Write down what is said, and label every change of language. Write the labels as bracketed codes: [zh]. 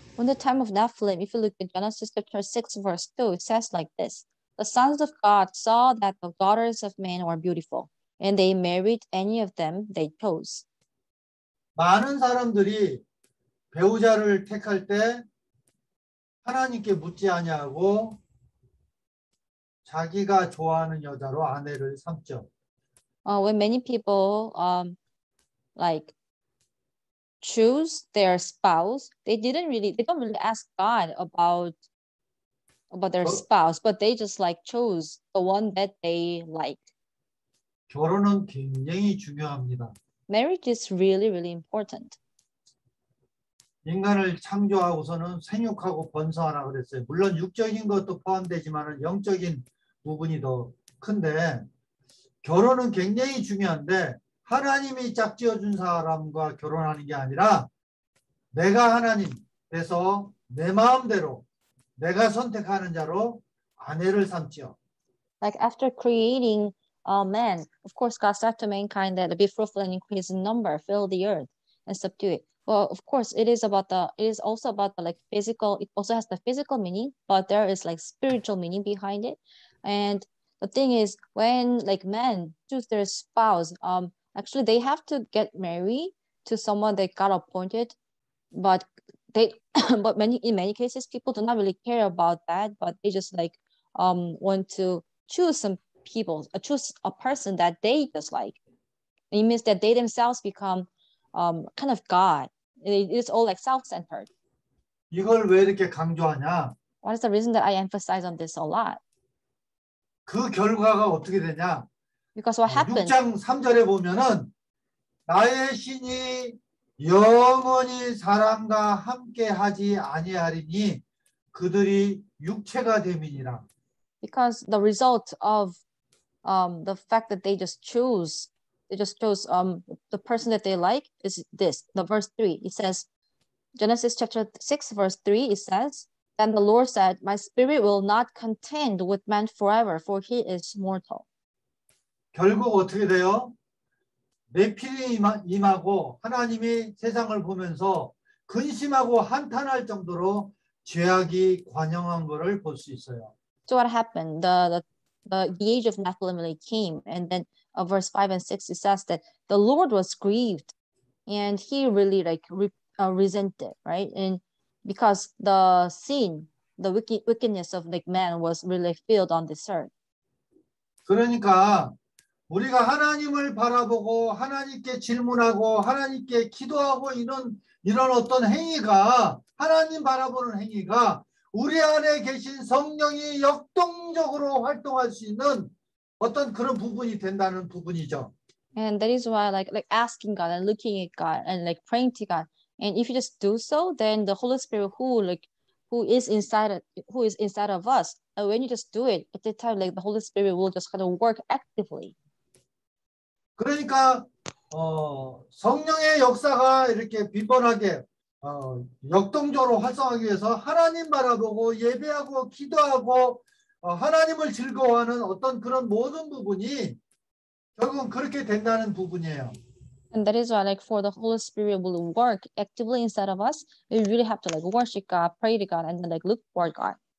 [en] In the time of Nephilim, if you look at Genesis chapter 6 verse 2, it says like this. The sons of God saw that the daughters of men were beautiful, and they married any of them they chose. [ko] 많은 사람들이 배우자를 택할 때 하나님께 묻지 아니하고 자기가 좋아하는 여자로 아내를 삼죠. [en] When many people like choose their spouse, they didn't really, they don't really ask God about their spouse, but they just like chose the one that they like. [ko] 결혼은 굉장히 중요합니다. [en] Marriage is really, really important. [ko] 인간을 창조하고서는 생육하고 번성하라 그랬어요. 물론 육적인 것도 포함되지만 영적인 부분이 더 큰데 결혼은 굉장히 중요한데 하나님이 짝지어준 사람과 결혼하는 게 아니라 내가 하나님 돼서 내 마음대로 내가 선택하는 자로 아내를 삼지요. [en] Like after creating a man, of course God said to mankind that be fruitful and increase in number, fill the earth and subdue it. Well, of course it is also about the like physical. It also has the physical meaning, but there is like spiritual meaning behind it, and the thing is, when like men choose their spouse, actually they have to get married to someone that God appointed, but they, but many in many cases people do not really care about that, but they just like want to choose some people, choose a person that they just like. It means that they themselves become kind of God. It's all like self-centered. [ko] 이걸 왜 이렇게 강조하냐? [en] What is the reason that I emphasize on this a lot? [ko] 그 결과가 어떻게 되냐? [en] Because what happened? [ko] 6장 3절에 보면은 나의 신이 영원히 사람과 함께 하지 아니하리니 그들이 육체가 됨이니라. [en] Because the result of the fact that they just chose the person that they like is this. The verse 3, it says, Genesis chapter 6, verse 3, it says, Then the Lord said, My spirit will not contend with man forever, for he is mortal. [ko] 결국 어떻게 돼요? 매필이 임하고 하나님이 세상을 보면서 근심하고 한탄할 정도로 죄악이 관영한 것을 볼 수 있어요. [en] So what happened? The age of Nephilim came, and then verse 5 and 6 it says that the Lord was grieved, and he really like resented, right? And because the sin, the wickedness of like man was really filled on this earth. [ko] 그러니까 우리가 하나님을 바라보고 하나님께 질문하고 하나님께 기도하고 이런 어떤 행위가 하나님 바라보는 행위가 우리 안에 계신 성령이 역동적으로 활동할 수 있는 어떤 그런 부분이 된다는 부분이죠. [en] And that is why like asking God and looking at God and like praying to God. And if you just do so, then the Holy Spirit who is inside of us, and when you just do it at that time, like the Holy Spirit will just kind of work actively. [ko] 그러니까 성령의 역사가 이렇게 빈번하게 역동적으로 활성화하기 위해서 하나님 바라보고 예배하고 기도하고 하나님을 즐거워하는 어떤 그런 모든 부분이 결국 그렇게 된다는 부분이에요. [en] And that is why, like, for the Holy Spirit will work actively inside of us, we really have to like worship God, pray to God, and then like look for God.